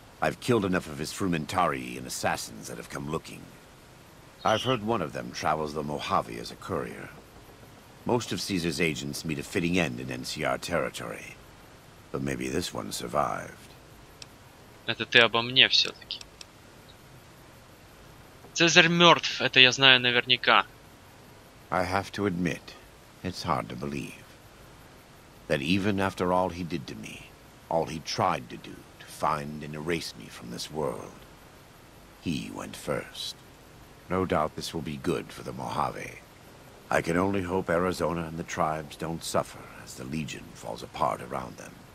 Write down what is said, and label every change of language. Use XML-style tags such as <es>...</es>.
<en>I've killed enough of his frumentarii and assassins that have come looking. I've heard one of them travels the Mojave as a courier. Most of Caesar's agents meet a fitting end in NCR territory, but maybe this one survived.</en> <ru>Это ты обо мне все-таки. Цезарь мертв, это я знаю наверняка.</ru> <en>I have to admit, it's hard to believe that even after all he did to me, all he tried to do to find and erase me from this world, he went first. No doubt this will be good for the Mojave. I can only hope Arizona and the tribes don't suffer as the Legion falls apart around them.</en>